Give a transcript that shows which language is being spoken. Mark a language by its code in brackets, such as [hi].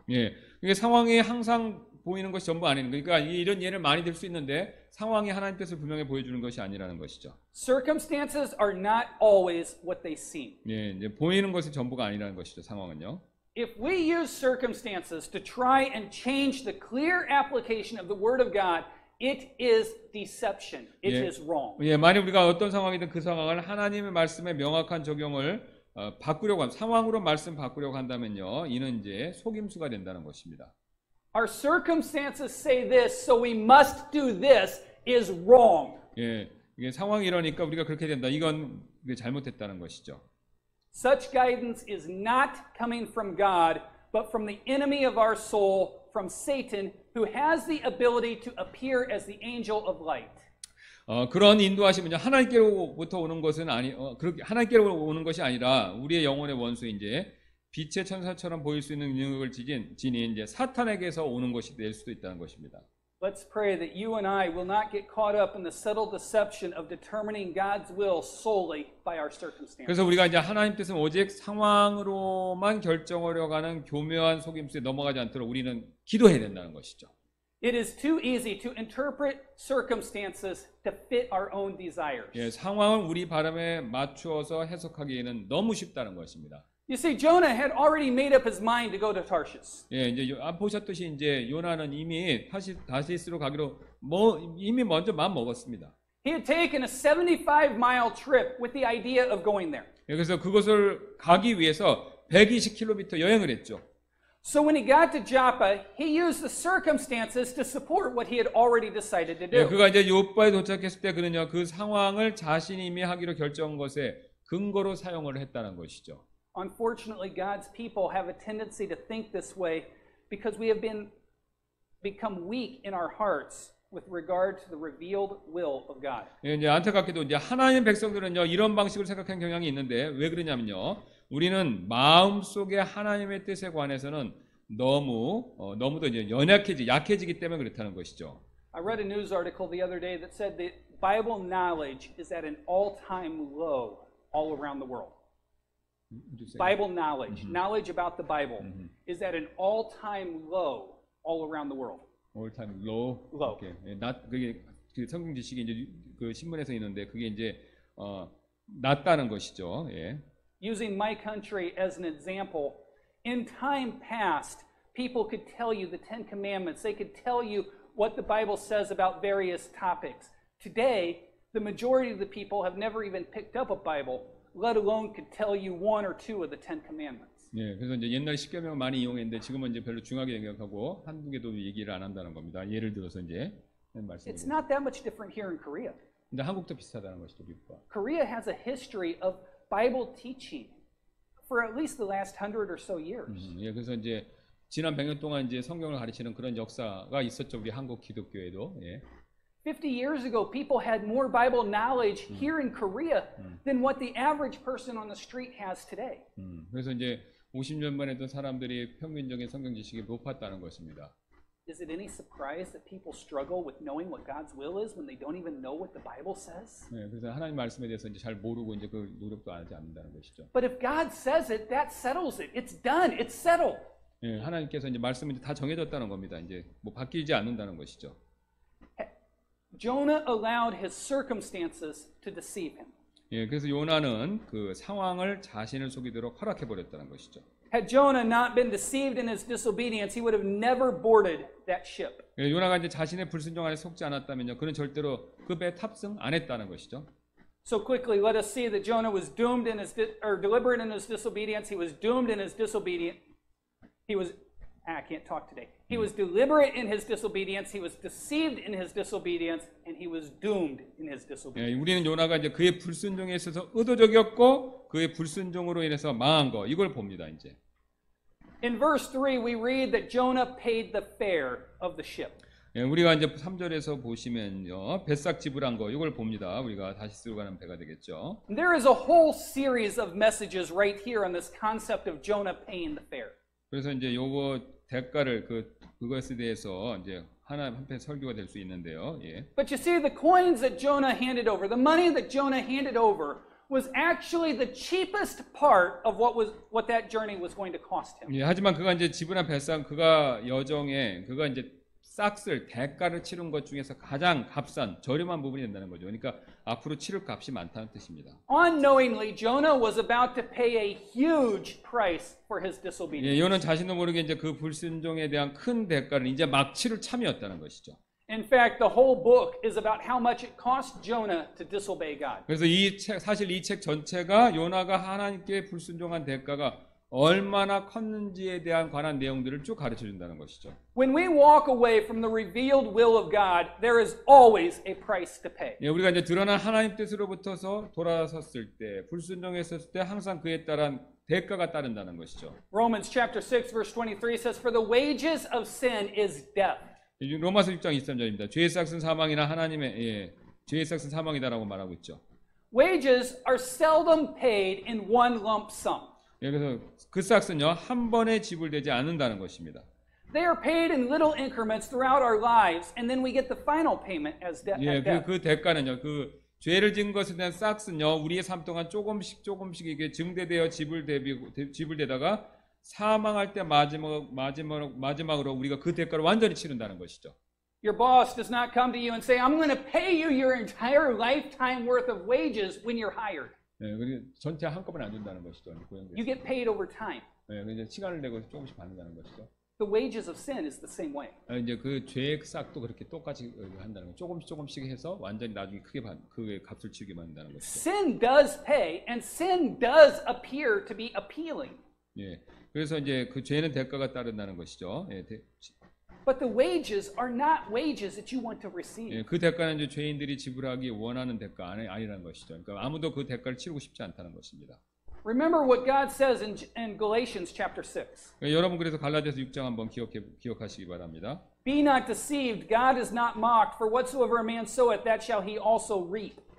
[ko] 예, 이게 상황이 항상 보이는 것이 전부 아닌 거니까 이런 예를 많이 들 수 있는데 상황이 하나님 뜻을 분명히 보여주는 것이 아니라는 것이죠. [en] Circumstances are not always what they seem. [ko] 예, 이제 보이는 것이 전부가 아니라는 것이죠 상황은요. [en] If we use circumstances to try and change the clear application of the Word of God. It is deception. It 예, is wrong. [ko] 예, 만약 우리가 어떤 상황이든 그 상황을 하나님의 말씀에 명확한 적용을 바꾸려고 상황으로 말씀 바꾸려고 한다면요, 이는 이제 속임수가 된다는 것입니다. [en] Our circumstances say this, so we must do this is wrong. [ko] 예, 이게 상황이 이러니까 우리가 그렇게 된다. 이건 잘못됐다는 것이죠. [en] Such guidance is not coming from God, but from the enemy of our soul. From Satan, who has the ability to appear as the angel of light. [ko] 그런 인도하심은요 하나님께로부터 오는 것은 아니 그렇게 하나님께로 오는 것이 아니라 우리의 영혼의 원수 이제 빛의 천사처럼 보일 수 있는 능력을 지닌 이제 사탄에게서 오는 것이 될 수도 있다는 것입니다. [en] Let's pray that you and I will not get caught up in the subtle deception of determining God's will solely by our circumstances. [ko] 그래서 우리가 이제 하나님 뜻은 오직 상황으로만 결정하려고 하는 교묘한 속임수에 넘어가지 않도록 우리는 기도해야 된다는 것이죠. [en] It is too easy to interpret circumstances to fit our own desires. [ko] 예, 상황을 우리 바람에 맞추어서 해석하기에는 너무 쉽다는 것입니다. [en] You see, Jonah had already made up his mind to go to Tarshish. [ko] 예, 이제 보셨듯이 이제 요나는 이미 다시스로 가기로 이미 먼저 마음 먹었습니다. [en] He had taken a 75-mile trip with the idea of going there. [ko] 그래서 그곳을 가기 위해서 120km 여행을 했죠. [en] So when he got to Joppa, he used the circumstances to support what he had already decided to do. [ko] 예, 그가 이제 요파에 도착했을 때 그는요, 그 상황을 자신이 이미 하기로 결정한 것에 근거로 사용을 했다는 것이죠. [en] Unfortunately, God's people have a tendency to think this way because we have become weak in our hearts with regard to the revealed will of God. [ko] 예, 이제 안타깝게도 이제 하나님 백성들은요, 이런 방식을 생각한 경향이 있는데 왜 그러냐면요. 우리는 마음속에 하나님의 뜻에 관해서는 너무도 이제 약해지기 때문에 그렇다는 것이죠. [en] I read a news article the other day that said that Bible knowledge is at an all-time low all around the world. Bible knowledge, knowledge about the Bible is at an all-time low all around the world. All-time low. Low. [ko] 그게 그 성경 지식이 이제 그 신문에서 있는데 그게 이제 낮다는 것이죠. 예. [en] Using my country as an example, in time past, people could tell you the Ten Commandments. They could tell you what the Bible says about various topics. Today, the majority of the people have never even picked up a Bible, let alone could tell you one or two of the Ten Commandments. [ko] 예, 그래서 이제 옛날 십계명을 많이 이용했는데 지금은 이제 별로 중하게 생각하고 한두 개도 얘기를 안 한다는 겁니다. 예를 들어서 이제 말씀. [en] It's not that much different here in Korea. [ko] 근데 한국도 비슷하다는 것이죠, 미국과. [en] Korea has a history of Bible teaching for at least the last 100 or so years. [ko] 예, 그래서 이제 지난 100년 동안 이제 성경을 가르치는 그런 역사가 있었죠. 우리 한국 기독교에도. 예. [en] 50 years ago people had more Bible knowledge here in Korea than what the average person on the street has today. [ko] 그래서 이제 50년 만에도 사람들이 평균적인 성경 지식이 높았다는 것입니다. [en] Is it any surprise that people struggle with knowing what God's will is when they don't even know what the Bible says? [ko] 네, 그래서 하나님 말씀에 대해서 이제 잘 모르고 이제 그 노력도 안 하지 않는다는 것이죠. [en] But if God says it, that settles it. It's done. It's settled. [ko] 예, 네, 하나님께서 이제 말씀이 다 정해졌다는 겁니다. 이제 뭐 바뀌지 않는다는 것이죠. [en] Jonah allowed his circumstances to deceive him. [ko] 예, 네, 그래서 요나는 그 상황을 자신을 속이도록 허락해 버렸다는 것이죠. [en] Had Jonah not been deceived in his disobedience, he would have never boarded that ship. [ko] 예, 요나가 이제 자신의 불순종 안에 속지 않았다면요, 그는 절대로 그 배에 탑승 안 했다는 것이죠. [en] So quickly, let us see that Jonah was doomed in his deliberate in his disobedience. He was doomed in his disobedience. He was. I can't talk today. He was deliberate in his disobedience. He was deceived in his disobedience, and he was doomed in his disobedience. [ko] 예, 우리는 요나가 이제 그의 불순종에 있어서 의도적이었고 그의 불순종으로 인해서 망한 거 이걸 봅니다 이제. [en] In verse 3, we read that Jonah paid the fare of the ship. [ko] 예, 우리가 이제 3절에서 보시면요, 배싹 지불한 거 이걸 봅니다. 우리가 다시 쓰러 가는 배가 되겠죠. [en] There is a whole series of messages right here on this concept of Jonah paying the fare. [ko] 그래서 이제 요거 대가를 그것에 대해서 이제 하나 한편 설교가 될 수 있는데요. 예. [en] But you see, the coins that Jonah handed over, the money that Jonah handed over, was actually the cheapest part of what that journey was going to cost him. [ko] 예, 하지만 그가 이제 지불한 배상, 그가 여정에 그가 이제 싹쓸 대가를 치른 것 중에서 가장 값싼 저렴한 부분이 된다는 거죠. 그러니까 앞으로 치를 값이 많다는 뜻입니다. [en] Unknowingly, Jonah was about to pay a huge price for his disobedience. [ko] 예, 요는 자신도 모르게 이제 그 불순종에 대한 큰 대가를 이제 막 치를 참이었다는 것이죠. [en] In fact, the whole book is about how much it cost Jonah to disobey God. [ko] 그래서 이 책 사실 이 책 전체가 요나가 하나님께 불순종한 대가가 얼마나 컸는지에 대한 관한 내용들을 쭉 가르쳐 준다는 것이죠. [en] When we walk away from the revealed will of God, there is always a price to pay. [ko] 예, 우리가 이제 드러난 하나님 뜻으로부터서 돌아섰을 때, 불순종했었을 때 항상 그에 따른 대가가 따른다는 것이죠. [en] Romans chapter 6 verse 23 says for the wages of sin is death. [ko] 로마서 6장 23절입니다. 죄의 삯은 사망이나 하나님의 예, 죄의 삯은 사망이다라고 말하고 있죠. [en] Wages are seldom paid in one lump sum. [ko] 그래서 그 삯은요 한 번에 지불되지 않는다는 것입니다. [en] They are paid in little increments throughout our lives, and then we get the final payment as death. [ko] 예, 그 대가는요, 그 죄를 지은 것에 대한 삯은요 우리의 삶 동안 조금씩 이게 증대되어 지불되다가 사망할 때 마지막으로 우리가 그 대가를 완전히 치른다는 것이죠. [en] Your boss does not come to you and say, "I'm going to pay you your entire lifetime worth of wages when you're hired." [ko] 예, 전체 한꺼번에 안 준다는 것이죠. [en] You get paid over time. [ko] 예, 이제 시간을 내고 조금씩 받는다는 것이죠. [en] The wages of sin is the same way. [ko] 이제 그 죄의 싹도 그렇게 똑같이 한다는 거. 조금씩 조금씩 해서 완전히 나중에 크게 받 그 값을 치르게 만든다는 것이죠. [en] Sin does pay, and sin does appear to be appealing. [ko] 예, 그래서 이제 그 죄는 대가가 따른다는 것이죠. 예, [en] But the wages are not wages that you want to receive. [ko] 예, 그 대가는 이제 죄인들이 지불하기 원하는 대가 아니라는 것이죠. 그러니까 아무도 그 대가를 치르고 싶지 않다는 것입니다. [en] Remember what God says in Galatians chapter 6. [ko] 여러분 그래서 갈라디아서 6장 한번 기억하시기 바랍니다. [en] Be not deceived. God is not mocked. For whatsoever a man soweth, that shall he also reap.